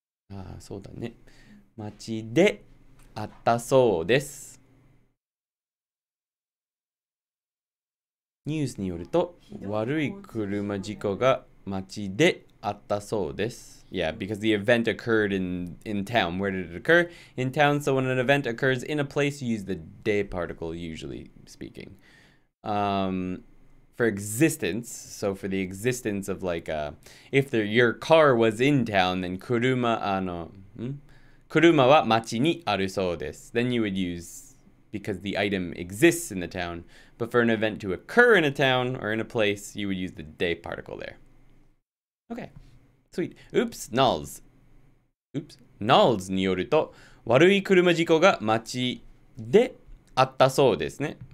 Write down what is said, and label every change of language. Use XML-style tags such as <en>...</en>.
<ja>ああ、そうだね。町であったそうです。ニュースによると、悪い車事故が町であったそうです。</ja> <en>Yeah, because the event occurred in town. Where did it occur? In town, so when an event occurs in a place, you use the de particle, usually speaking. For existence, so for the existence of like, if your car was in town, then</en> <ja>kuruma wa machi ni aru sou desu.</ja> <en>Then you would use, because the item exists in the town. But for an event to occur in a town or in a place, you would use the de particle there. Okay. Sweet. Oops, nulls. Oops.</en> <ja>Nulls によると、悪い車事故が街であったそうですね。</ja>